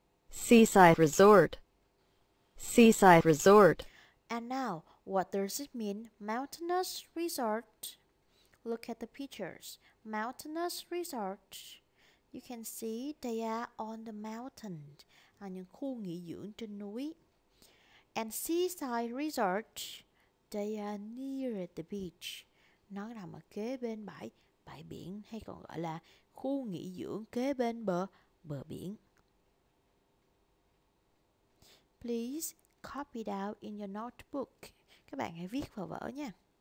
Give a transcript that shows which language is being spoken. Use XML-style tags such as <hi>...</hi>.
<en>Seaside resort. Seaside resort. And now, what does it mean, mountainous resort? Look at the pictures. Mountainous resort. You can see they are on the mountain.</en> <vi>là những khu nghỉ dưỡng trên núi.</vi> <en>And seaside resorts, they are near the beach.</en> <vi>Nó nằm ở kế bên bãi, bãi biển, hay còn gọi là khu nghỉ dưỡng kế bên bờ, bờ biển.</vi> <en>Please copy down in your notebook.</en> <vi>Các bạn hãy viết vào vở nha.</vi>